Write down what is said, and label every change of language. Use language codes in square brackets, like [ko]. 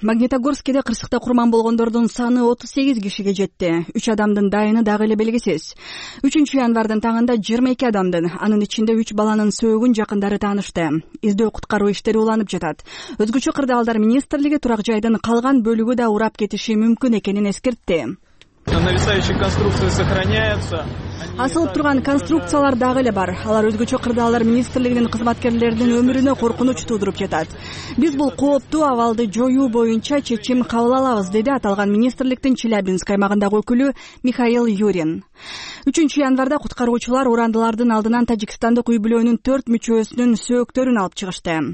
[ky] Магнитогорскиде кырсыкта курман болгондордун саны 38 кишиге жетти. 3 адамдын дайыны дагы эле белгисиз. 3 январдын таңында 22 адамдын, анын ичинде 3 баланын сөөгүн жакындары таанышты. Издөө куткаруу иштери уланып жатат. Өзгөчө кырдаалдар министрлиги турак жайдын калган бөлүгү да урап кетиши мүмкүн экенин эскертти. [ru] Нависающие конструкции сохраняются. [ky] Асылып турган конструкциялар дагы эле бар. Алар өзгөчө кырдаалдар министрлигинин кызматкерлеринин өмүрүнө коркунуч туудуруп жатат. Биз бул кооптуу абалды жоюу боюнча чечим кабыл алабыз, деди аталган министрликтин Челябинск аймагындагы өкүлү Михаил Юрин. 3 январда куткаруучулар урандылардын алдынан Тажикстандык үй бүлөнүн 4 мүчөсүнүн сөөктөрүн алып чыгышты.